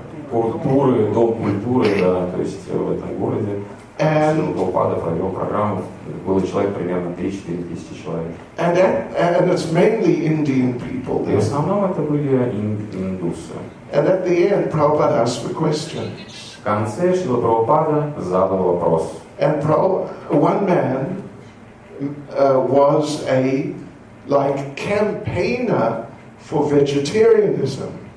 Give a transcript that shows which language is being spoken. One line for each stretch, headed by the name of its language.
Russian: культуры, дом культуры, да, то есть в этом городе.
English: And
Russian: Прабхупада провел программу, было человек примерно 3-4 тысячи человек.
English: And it's mainly Indian people.
Russian: И в основном это были индусы.
English: And at the end, Prabhupada asked the question.
Russian: В конце Шрила Прабхупада задал вопрос.
English: And one man was a like campaigner for vegetarianism.